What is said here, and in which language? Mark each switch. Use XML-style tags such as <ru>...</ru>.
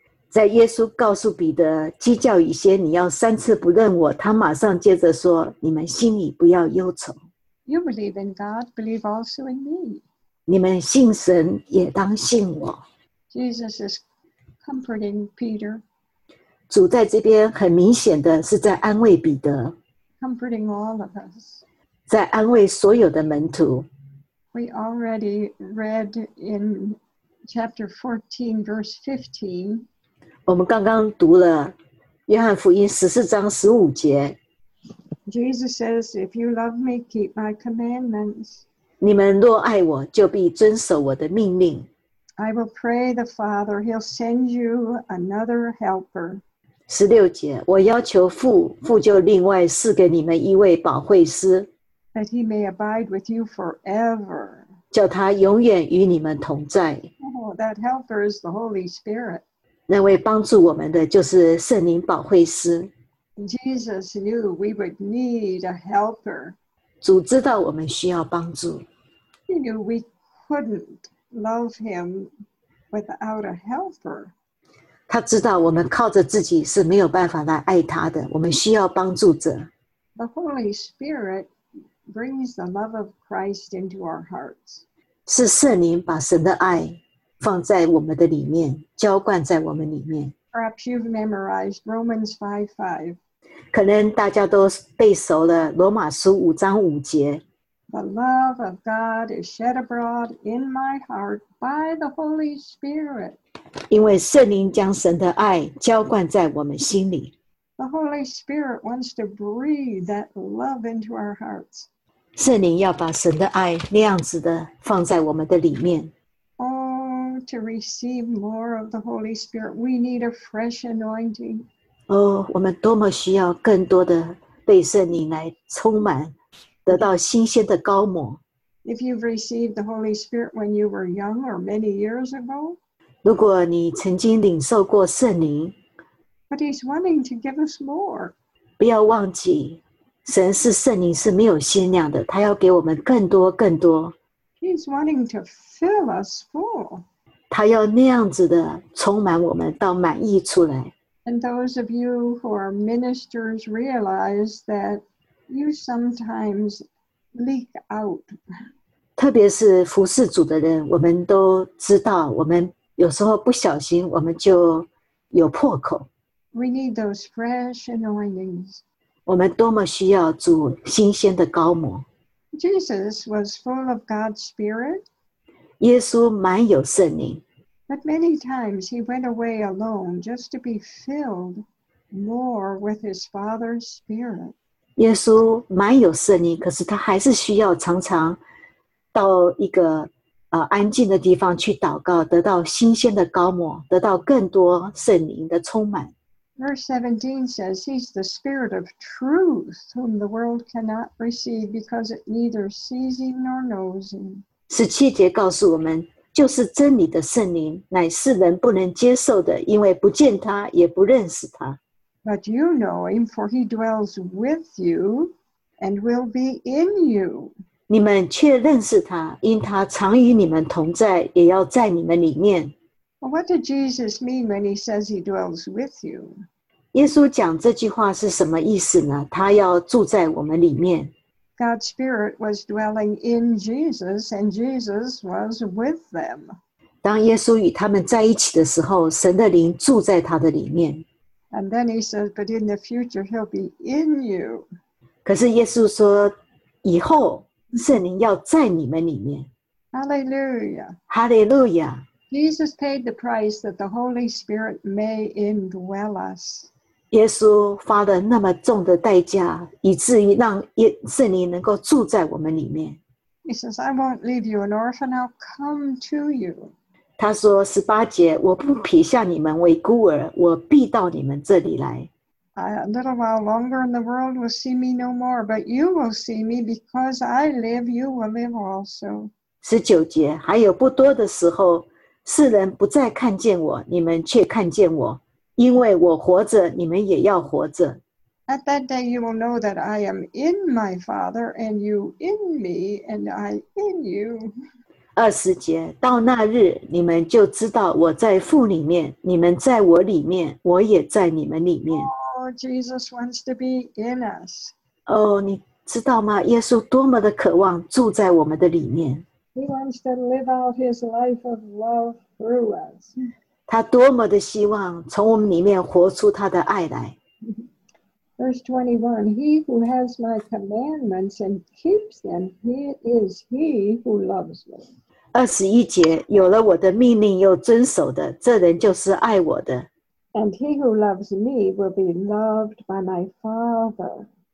<zh>在耶稣告诉彼得，鸡叫以先，你要三次不认我，他马上接着说，你们心里不要忧愁。</zh> <en>You believe in God, believe also in me.</en> <zh>你们信神，也当信我。</zh> <en>Jesus is comforting Peter.</en> <zh>主在这边很明显的是在安慰彼得。</zh> <en>Comforting all of us.</en> <zh>在安慰所有的门徒。</zh> <en>We already read in chapter 14, verse 15.</en> <zh>我们刚刚读了约翰福音14章15节。</zh> <en>Jesus says, if you love me, keep my commandments.</en> <zh>你们若爱我，就必遵守我的命令。</zh> <en>I will pray the Father, he'll send you another helper.</en> <zh>16节，我要求父，父就另外赐给你们一位保惠师。</zh> <en>That he may abide with you forever.</en> <zh>叫他永远与你们同在。</zh> <en>Oh, that helper is the Holy Spirit.</en> <zh>那位帮助我们的就是圣灵保惠师。</zh> <en>Jesus knew we would need a helper.</en> <zh>主知道我们需要帮助。</zh> <en>He knew we couldn't love him without a helper.</en> <zh>他知道我们靠着自己是没有办法来爱他的，我们需要帮助者。</zh> <en>The Holy Spirit brings the love of Christ into our hearts.</en> <zh>是圣灵把神的爱放在我们的里面，浇灌在我们里面。</zh> <en>Perhaps you've memorized Romans 5:5.</en> <zh>可能大家都背熟了罗马书五章五节。</zh> <en>The love of God is shed abroad in my heart by the Holy Spirit.</en> <zh>因为圣灵将神的爱浇灌在我们心里。</zh> <en>The Holy Spirit wants to breathe that love into our hearts.</en> <zh>圣灵要把神的爱那样子的放在我们的里面。</zh> <en>To receive more of the Holy Spirit, we need a fresh anointing.</en> <zh>Oh, 我们多么需要更多的被圣灵来充满，得到新鲜的膏抹。</zh> <en>If you've received the Holy Spirit when you were young or many years ago,</en> <zh>如果你曾经领受过圣灵，</zh> <en>but He's wanting to give us more.</en> <zh>不要忘记，神是圣灵是没有限量的，他要给我们更多更多。</zh> <en>He's wanting to fill us full.</en> <zh>他要那样子的充满我们到满意出来。</zh> <en>And those of you who are ministers realize that you sometimes leak out.</en> <zh>特别是服侍主的人，我们都知道，我们有时候不小心，我们就有破口。</zh> <en>We need those fresh anointings.</en> <zh>我们多么需要主新鲜的膏抹。</zh> <en>Jesus was full of God's Spirit.</en> <zh>耶稣满有圣灵。</zh> <en>But many times he went away alone just to be filled more with his Father's Spirit.</en> <zh>耶稣满有圣灵，可是他还是需要常常到一个安静的地方去祷告，得到新鲜的膏抹，得到更多圣灵的充满。</zh> <en>Verse 17 says, He's the Spirit of truth, whom the world cannot receive because it neither sees Him nor knows Him.</en> <zh>17节告诉我们，就是真理的圣灵，乃是人不能接受的，因为不见他，也不认识他。</zh> <en>But you know Him, for He dwells with you and will be in you.</en> <zh>你们却认识他，因他常与你们同在，也要在你们里面。</zh> <en>Well, what did Jesus mean when he says he dwells with you?</en> <zh>耶稣讲这句话是什么意思呢？他要住在我们里面。</zh> <en>God's Spirit was dwelling in Jesus, and Jesus was with them.</en> <zh>当耶稣与他们在一起的时候，神的灵住在他的里面。</zh> <en>And then he says, but in the future, he'll be in you.</en> <zh>可是耶稣说，以后圣灵要在你们里面。</zh> <en>Hallelujah. Hallelujah. Jesus paid the price that the Holy Spirit may indwell us.</en> <zh>耶稣花了那么重的代价，以至于让圣灵能够住在我们里面。</zh> <en>He says, I won't leave you an orphan, I'll come to you.</en> <zh>他说十八节，我不撇下你们为孤儿，我必到你们这里来。</zh> <en>A little while longer and the world will see me no more, but you will see me because I live, you will live also.</en> <zh>十九节，还有不多的时候，世人不再看见我，你们却看见我，因为我活着，你们也要活着。</zh> <en>At that day you will know that I am in my Father, and you in me, and I in you.</en> <zh>二十节，到那日，你们就知道我在父里面，你们在我里面，我也在你们里面。</zh> <en>Oh, Jesus wants to be in us.</en> <zh>哦，你知道吗？耶稣多么的渴望住在我们的里面。</zh> <en>He wants to live out his life of love through us.</en> <zh>他多么的希望从我们里面活出他的爱来。</zh> <en>Verse 21, he who has my commandments and keeps them, he is he who loves me.</en> <zh>21节，有了我的命令又遵守的，这人就是爱我的。</zh> <en>And he who loves me will be loved by my Father.</en>